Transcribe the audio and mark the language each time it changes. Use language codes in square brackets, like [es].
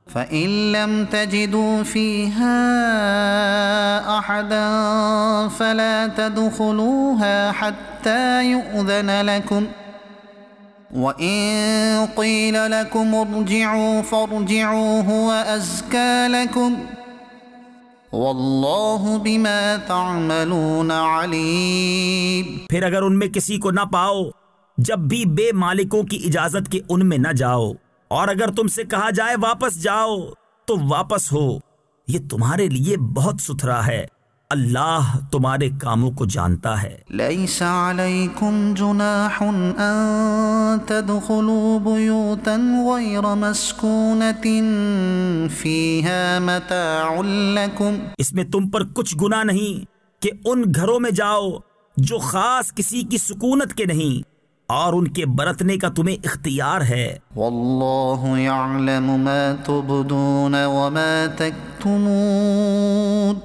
[ar] فَإِن لَمْ تَجِدُوا فِيهَا أَحَدًا فَلَا تَدْخُلُوهَا حَتَّى يُؤْذَنَ لَكُمْ وَإِن قِيلَ لَكُمْ ارْجِعُوا فَارْجِعُوا هُوَ أَزْكَى لَكُمْ واللہ بما تعملون علیم [ur] پھر اگر ان میں کسی کو نہ پاؤ جب بھی بے مالکوں کی اجازت کے ان میں نہ جاؤ اور اگر تم سے کہا جائے واپس جاؤ تو واپس ہو یہ تمہارے لیے بہت ستھرا ہے اللہ تمہارے کاموں کو جانتا ہے [ar] لیس علیکم جناح ان تدخلوا بیوتا غیر مسکونت فیہا متاع لکم [ur] اس میں تم پر کچھ گناہ نہیں کہ ان گھروں میں جاؤ جو خاص کسی کی سکونت کے نہیں اور ان کے برتنے کا تمہیں اختیار ہے [ar] واللہ یعلم ما تبدون وما تکتمون